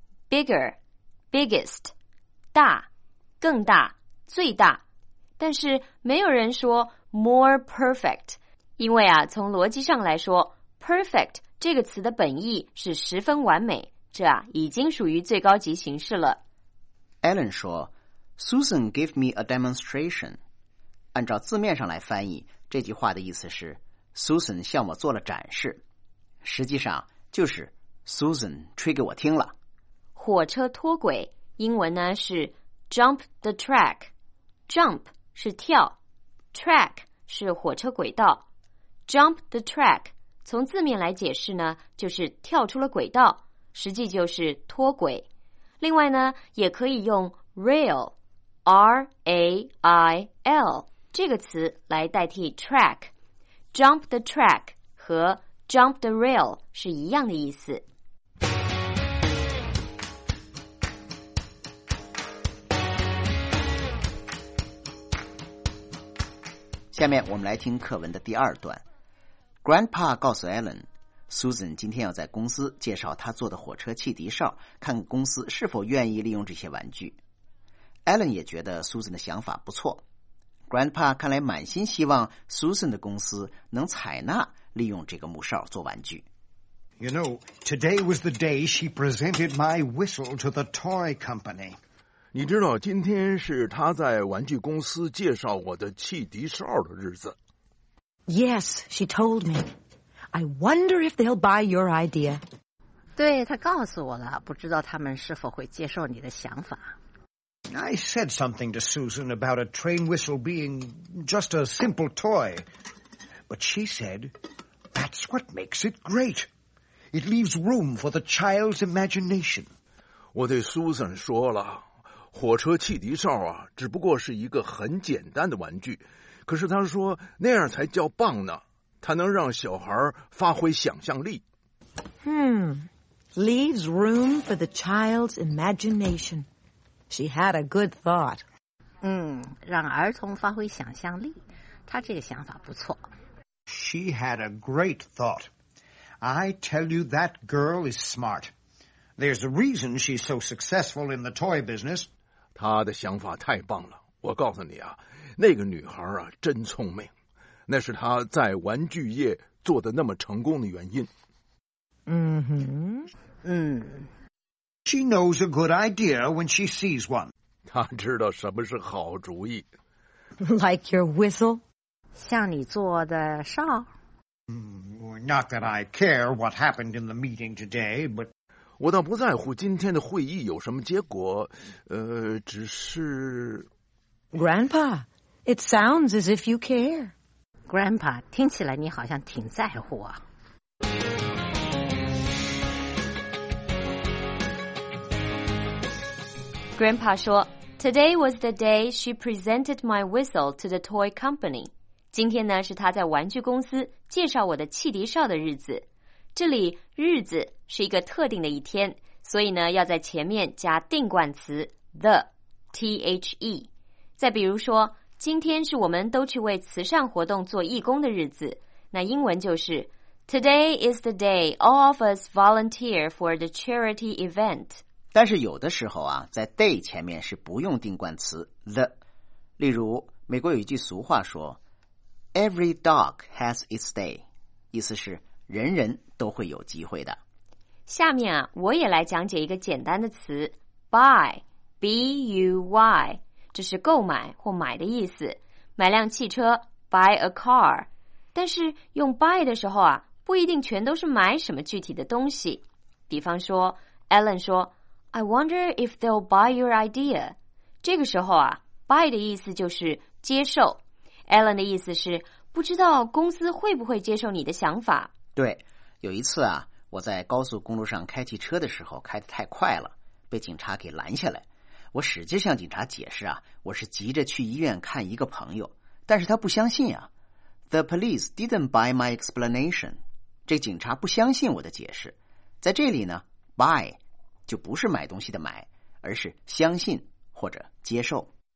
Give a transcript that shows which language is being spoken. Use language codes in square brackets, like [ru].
[en] bigger, biggest, [zh] 大，更大，最大。但是没有人说 [en] more perfect, [zh] 因为啊，从逻辑上来说 ,perfect 这个词的本意是十分完美，这啊已经属于最高级形式了。 [en] Alan [zh] 说 [en] ,Susan gave me a demonstration. [zh] 按照字面上来翻译，这句话的意思是 ,Susan 向我做了展示。实际上就是 ,Susan 吹给我听了。火车脱轨英文呢是 [en] jump the track, [zh] jump是跳 ,track 是火车轨道。 [en] Jump the track, [zh] 从字面来解释呢就是跳出了轨道，实际就是脱轨。另外呢也可以用 rail, R-A-I-L, 这个词来代替 track。 [en] Jump the track [zh] 和 [en] jump the rail [zh] 是一样的意思。下面我们来听课文的第二段。Grandpa 告诉 Alan, Susan 今天要在公司介绍他做的火车汽笛哨，看公司是否愿意利用这些玩具。 Alan 也觉得 Susan 的想法不错。Grandpa 看来满心希望 Susan 的公司能采纳利用这个木哨做玩具。 [en] You know, today was the day she presented my whistle to the toy company. [zh] 你知道今天是他在玩具公司介绍我的汽笛哨的日子。 [en] Yes, she told me. I wonder if they'll buy your idea. [zh] 对，他告诉我了，不知道他们是否会接受你的想法。 [en] I said something to Susan about a train whistle being just a simple toy. But she said, that's what makes it great. It leaves room for the child's imagination. [zh] 我对 Susan 说了。火车汽笛哨啊，只不过是一个很简单的玩具，可是他说那样才叫棒呢，它能让小孩发挥想象力。 [en] Leaves room for the child's imagination. She had a good thought. [zh] 让儿童发挥想象力，他这个想法不错。 [en] She had a great thought. I tell you, that girl is smart. There's a reason she's so successful in the toy business. [zh] 他的想法太棒了，我告诉你啊，那个女孩啊真聪明，那是她在玩具业做得那么成功的原因。 [en] She knows a good idea when she sees one. [zh] 她知道什么是好主意。 [en] Like your whistle? [zh] 像你做的哨。 [en] Not that I care what happened in the meeting today, but... [zh] 我倒不在乎今天的会议有什么结果，只是 [en] ，Grandpa, it sounds as if you care. [zh] Grandpa, 听起来你好像挺在乎啊。 [en] Grandpa [zh] 说 [en] ，Today was the day she presented my whistle to the toy company. [zh] 今天呢是她在玩具公司介绍我的汽笛哨的日子。这里日子是一个特定的一天，所以呢要在前面加定冠词 the, T-H-E。再比如说今天是我们都去为慈善活动做义工的日子，那英文就是 [en] Today is the day all of us volunteer for the charity event。 [zh] 但是有的时候啊，在 day 前面是不用定冠词 the。例如美国有一句俗话说 [en] Every dog has its day, [zh] 意思是人人都会有机会的。下面啊，我也来讲解一个简单的词 buy, B-U-Y, 这是购买或买的意思。买辆汽车 [en] buy a car, [zh] 但是用 buy 的时候啊，不一定全都是买什么具体的东西。比方说 [en] ,Alan [zh] 说 [en] I wonder if they'll buy your idea. [zh] 这个时候啊 ,buy 的意思就是接受。Alan 的意思是不知道公司会不会接受你的想法。对，有一次啊，我在高速公路上开汽车的时候开得太快了，被警察给拦下来。我使劲向警察解释啊，我是急着去医院看一个朋友，但是他不相信啊。 [en] The police didn't buy my explanation. [zh] 这警察不相信我的解释。在这里呢 ,buy 就不是买东西的买，而是相信或者接受。